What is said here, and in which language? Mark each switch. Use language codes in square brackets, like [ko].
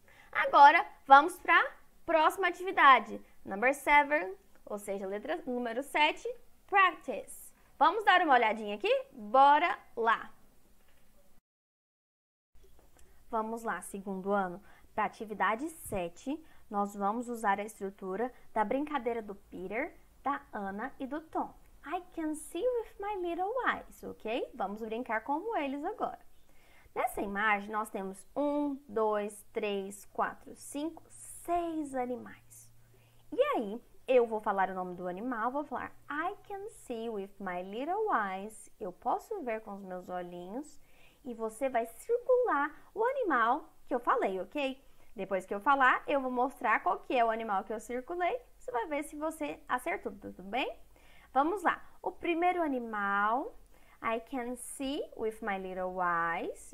[pt] Agora, vamos para a próxima atividade, [en] number 7, [pt] ou seja, letra número 7, practice. Vamos dar uma olhadinha aqui? Bora lá! Vamos lá, segundo ano. Para a atividade 7, nós vamos usar a estrutura da brincadeira do Peter, da Ana e do Tom. [en] I can see with my little eyes, ok? [pt] Vamos brincar como eles agora. Nessa imagem, nós temos 1, 2, 3, 4, 5, 6 animais. E aí, eu vou falar o nome do animal, vou falar [en] I can see with my little eyes. [pt] Eu posso ver com os meus olhinhos. E você vai circular o animal que eu falei, ok? Depois que eu falar, eu vou mostrar qual que é o animal que eu circulei. Você vai ver se você acertou, tudo bem? Vamos lá. O primeiro animal, [en] I can see with my little eyes.